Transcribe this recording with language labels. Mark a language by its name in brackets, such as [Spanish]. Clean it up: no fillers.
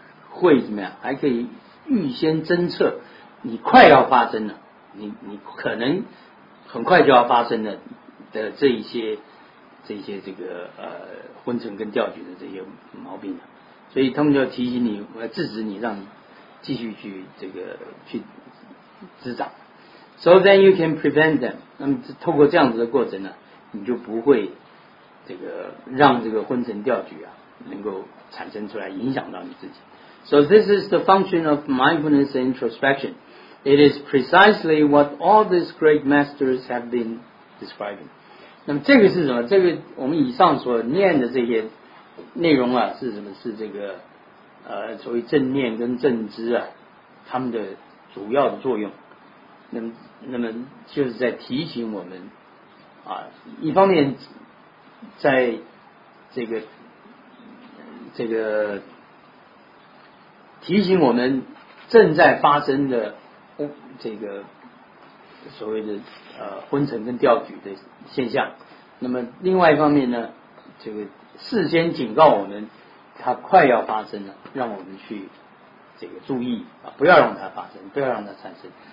[Chinese] 会怎么样，还可以预先侦测你快要发生了，你可能很快就要发生了的这一些这个昏沉跟掉举的这些毛病了，所以他们就要提醒你，制止你，让你继续去这个去滋长。 [English] So then you can prevent them. [Chinese] 那么透过这样子的过程呢，你就不会这个让这个昏沉掉举啊能够产生出来，影响到你自己。 [English] So this is the function of mindfulness and introspection. It is precisely what all these great masters have been describing. [Chinese] 那么这个是什么？这个我们以上所念的这些内容啊，是什么？是这个所谓正念跟正知啊，他们的主要的作用。那么就是在提醒我们啊，一方面在这个提醒我们正在发生的这个所谓的昏沉跟掉举的现象，那么另外一方面呢，这个事先警告我们它快要发生了，让我们去这个注意啊，不要让它发生，不要让它产生。